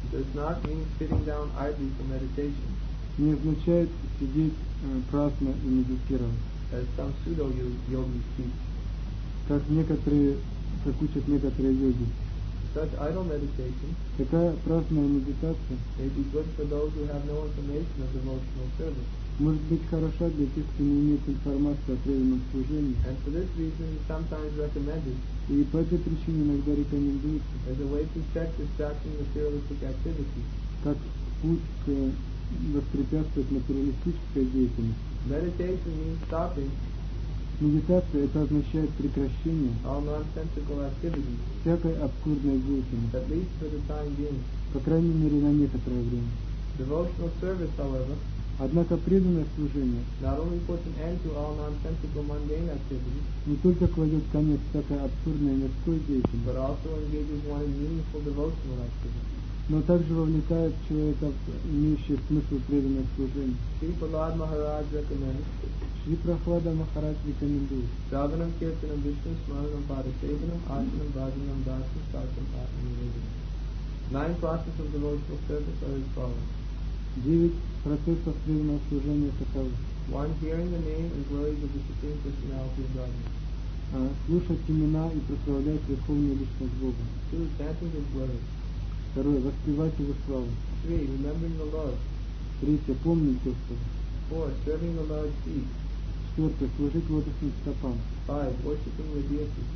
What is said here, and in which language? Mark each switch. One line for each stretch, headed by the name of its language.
English: Does not mean sitting down idly for meditation.
Russian: Не означает сидеть праздно и медитировать.
English: As some pseudo-yogis teach.
Russian: Как учат некоторые йоги.
English: Such idle meditation.
Russian: Такая праздная медитация.
English: May be good for those who have no information of devotional service.
Russian: Может быть хороша для тех, кто не имеет информации о преданном служении.
English: And for this reason, sometimes recommended.
Russian: И по этой причине иногда рекомендуется.
English: As a way to check distracting materialistic activity.
Russian: Как путь к воспрепятствовать материалистической деятельности.
English: Meditation means stopping.
Russian: Медитация – это означает прекращение
English: all nonsensical activity.
Russian: Всякой абсурдной деятельности.
English: At least for the time being.
Russian: По крайней мере, на некоторое время.
English: Devotional service, however.
Russian: Однако преданное служение
English: not only puts an end to all nonsensical mundane activity,
Russian: не только кладет конец всякой абсурдной мирской деятельности,
English: but also engages one in meaningful devotional activity.
Russian: Но также вовлекает человека в имеющий смысл преданное служение.
English: Шри Прахлад Махарадж recommends.
Russian: Шри Прахлада Махарадж рекомендует.
Sanskrit: Шравнам Киртанам Вишну Смаранам Парасейванам Ашинам Бхаджанам Дасам Сарсам Атмам Ниведанам.
English: 9 classes of devotional service are as follows.
Russian: 9 процессов преданного служения таковы. 1.
English: Hearing the name and glories of the Supreme Personality of Godhead.
Russian: Слушать имена и прославлять Верховную Личность Бога.
English: 2. Chanting His glory.
Russian: 2. Воспевать Его славу.
English: 3. Remembering the Lord.
Russian: 3. Помнить Господа.
English: 4. Serving the Lord's feet. 4.
Russian: Служить лотосным стопам.
English: 5. Worshiping the deity.